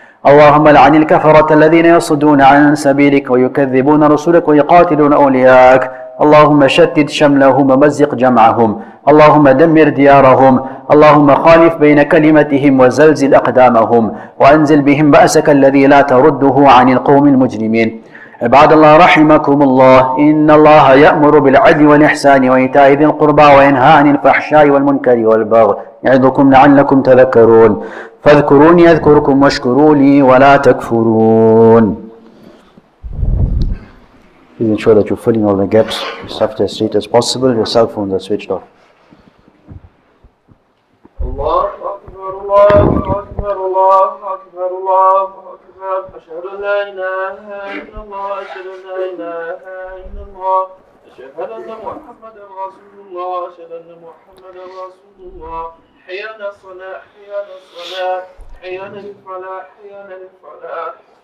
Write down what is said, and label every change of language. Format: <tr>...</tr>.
<ar>اللهم لعن الكفرة الذين يصدون عن سبيلك ويكذبون رسولك ويقاتلون أولياءك اللهم شتت شملهم ومزق جمعهم اللهم دمر ديارهم اللهم خالف بين كلمتهم وزلزل أقدامهم وأنزل بهم بأسك الذي لا ترده عن القوم المجرمين عباد الله رحمكم الله إن الله يأمر بالعدل والإحسان وإيتاء ذي القربى وينهى عن الفحشاء والمنكر والبغي يعظكم لعلكم تذكرون فاذكروني أذكركم واشكروا لي ولا تكفرون.</ar> <en>Please ensure that you're filling all the gaps as soft as straight as possible. Your cell phones are switched off.</en> <ar>Allah Akbar, Allah Akbar, Allah Akbar, Allah أشهد أن لا إله إلا الله أشهد أن لا إله إلا الله أشهد أن محمد رسول الله أشهد أن محمد رسول الله حيانا الصلاة حيانا الصلاة حيانا الفلاح حيانا الفلاح</ar>